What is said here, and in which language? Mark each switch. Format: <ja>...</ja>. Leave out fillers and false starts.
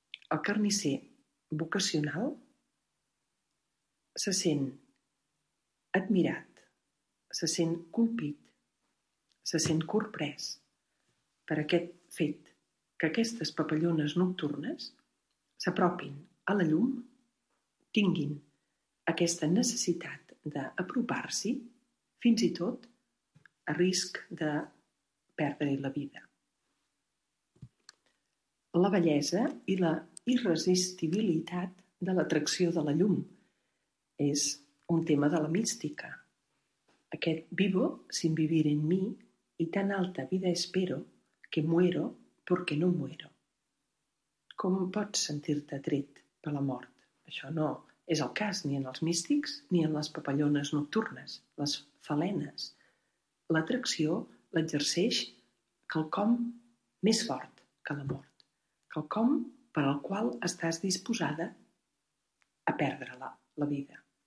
<ca>El carnisser vocacional se sent admirat, se sent colpit, se sent corprès per aquest fet que aquestes papallones nocturnes s'apropin a la llum, tinguin aquesta necessitat d'apropar-s'hi, fins i tot a risc de perdre-hi la vida. La bellesa i la irresistibilitat de l'atracció de la llum és un tema de la mística. Aquest</ca> <es>vivo sin vivir en mi y tan alta vida espero que muero porque no muero.</es> <ca>Com pots sentir-te atret per la mort? Això no és el cas ni en els místics ni en les papallones nocturnes, les falenes. L'atracció l'exerceix quelcom més fort que la mort, quelcom per al qual estàs disposada a perdre-la, la vida.</ca>